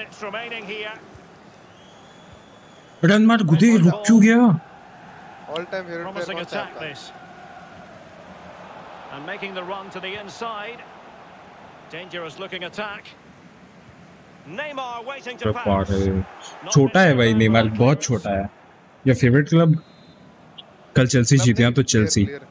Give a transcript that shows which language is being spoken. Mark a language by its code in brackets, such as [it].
[hi] Run मार गुदे, रुक क्यों गया? ऑल टाइम फेवरेट प्लेयर कौन सा है? [en] And making the run to the inside. Dangerous looking attack. Neymar waiting to pass. [hi] छोटा है भाई नेमार, बहुत छोटा है। ये फेवरेट क्लब कल चेल्सी जीते हैं तो चेल्सी।